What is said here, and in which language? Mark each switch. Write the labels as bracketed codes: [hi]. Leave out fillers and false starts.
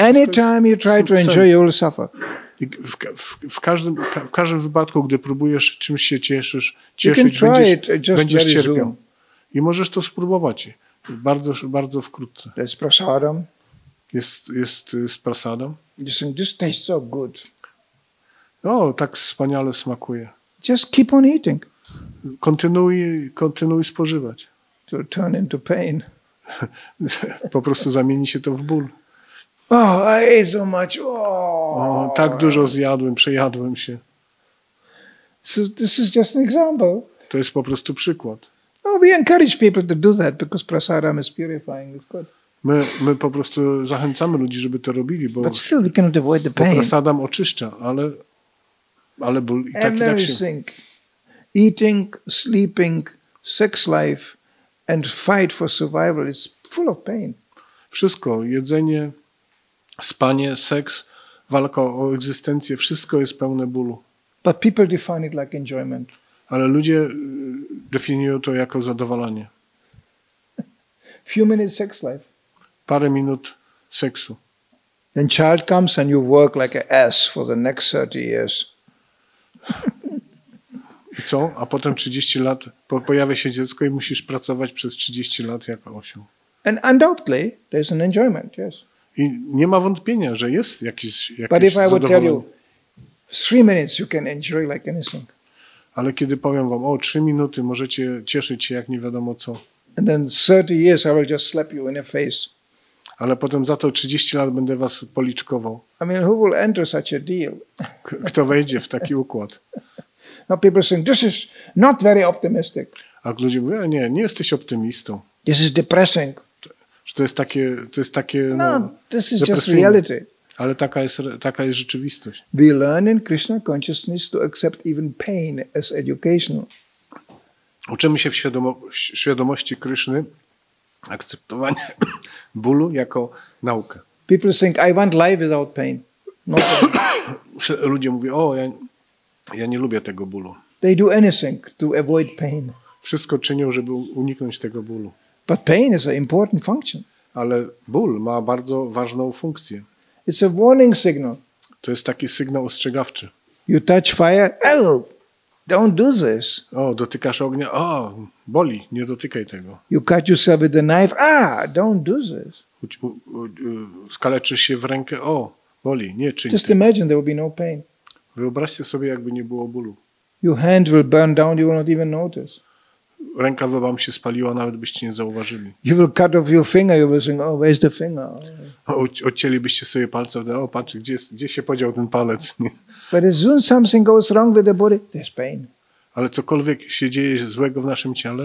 [en] Anytime you try to enjoy, you will suffer. [pl] W każdym wypadku, gdy próbujesz czymś się cieszyć, będziesz cierpiał. I możesz to spróbować. Bardzo, bardzo wkrótce. Jest prasadą. Jest z prasadą. [en] This tastes so good. [pl] O, tak wspaniale smakuje. [en] Just keep on eating. [pl] Kontynuuj spożywać. [en] To turn into pain. [pl] Po prostu zamieni się to w ból. [en] Oh, I ate so much. Oh. [pl] O, tak dużo zjadłem, przejadłem się. [en] So this is just an example. [pl] To jest po prostu przykład. [en] No, we encourage people to do that because prasadam is purifying. It's good. [pl] My po prostu zachęcamy ludzi, żeby to robili, bo [en] but still we cannot avoid the pain. [pl] Prasadam oczyszcza, ale ból i tak [en] everything. Eating, sleeping, sex life and fight for survival is full of pain. [pl] Wszystko, jedzenie, spanie, seks, walka o egzystencję, wszystko jest pełne bólu. [en] But people define it like enjoyment. [pl] Ale ludzie definiują to jako zadowolenie. [en] Few minutes sex life. [pl] Parę minut seksu. [en] Then child comes and you work like an ass for the next 30 years. [pl] I co? A potem 30 lat pojawia się dziecko i musisz pracować przez 30 lat jako osioł. [en] And undoubtedly there's an enjoyment, yes. [pl] I nie ma wątpienia, że jest jakiś zadowolenie. [en] But if I would tell you, 3 minutes you can enjoy like anything. [pl] Ale kiedy powiem wam, o, 3 minuty możecie cieszyć się jak nie wiadomo co. [en] And then 30 years I will just slap you in the face. [pl] Ale potem za to 30 lat będę was policzkował. [en] I mean, who will enter such a deal? [pl] Kto wejdzie w taki układ? [en] No, people say, this is not very optimistic. [pl] A ludzie mówią, nie, nie jesteś optymistą. [en] This is depressing. [pl] To jest takie. [en] No, this is just reality. [pl] Ale taka jest rzeczywistość. [en] We learn in Krishna consciousness to accept even pain as educational. [pl] Uczymy się w świadomości Kryszny akceptowanie bólu jako naukę. [en] People think I want life without pain. [pl] Ludzie mówią, o, ja nie lubię tego bólu. [en] They do anything to avoid pain. [pl] Wszystko czynią, żeby uniknąć tego bólu. [en] But pain is an important function. [pl] Ale ból ma bardzo ważną funkcję. [en] It's a warning signal. [pl] To jest taki sygnał ostrzegawczy. [en] You touch fire, oh, don't do this. [pl] O, dotykasz ognia, o, boli, nie dotykaj tego. [en] You cut yourself with a knife, ah, don't do this. [pl] Skaleczysz się w rękę, o, boli, nie czyń tego. [en] Just imagine there will be no pain. [pl] Wyobraźcie sobie, jakby nie było bólu. [en] Your hand will burn down, you will not even notice. [pl] Ręka by wam się spaliła, nawet byście nie zauważyli. [en] You will cut off your finger, you will think, oh, where's the finger? [pl] Odcięlibyście sobie palce, o, patrz, gdzie się podział ten palec. [en] But as soon something goes wrong with the body, there's pain. [pl] Ale cokolwiek się dzieje złego w naszym ciele,